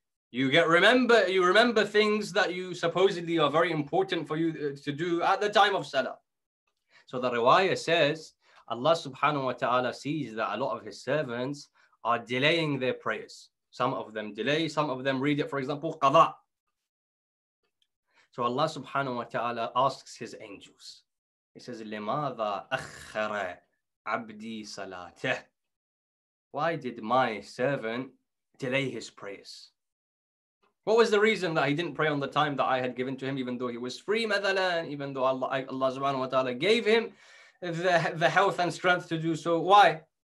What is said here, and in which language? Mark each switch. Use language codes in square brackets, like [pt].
[en] You remember things that you supposedly are very important for you to do at the time of Salah. So the riwayah says, Allah subhanahu wa ta'ala sees that a lot of his servants are delaying their prayers. Some of them delay, some of them read it, for example, qada. So Allah subhanahu wa ta'ala asks his angels. [ar] He says, لِمَاذَا أَخَّرَ عَبْدِي صَلَاتَهُ? [en] Why did my servant delay his prayers? What was the reason that he didn't pray on the time that I had given to him, even though he was free, مَذَلًا, even though Allah subhanahu wa ta'ala gave him the health and strength to do so? Why?